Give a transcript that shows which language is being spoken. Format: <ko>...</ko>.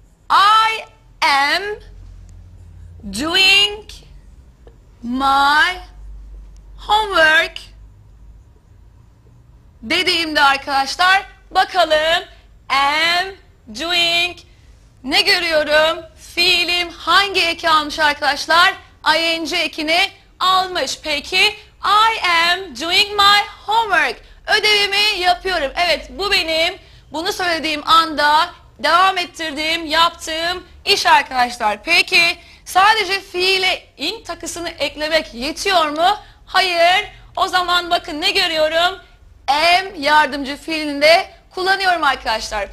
<en>I am doing my homework</en> <tr>dediğimde arkadaşlar bakalım</tr> <en>am doing</en> <tr>ne görüyorum? Fiilim hangi eki almış arkadaşlar? ING ekini almış.</tr> <en>Peki I am doing my homework.</en> <tr>Ödevimi yapıyorum. Evet, bu benim bunu söylediğim anda devam ettirdiğim, yaptığım iş arkadaşlar. Peki sadece fiile ing takısını eklemek yetiyor mu? Hayır. O zaman bakın ne görüyorum? Am yardımcı fiilinde kullanıyorum arkadaşlar.</tr>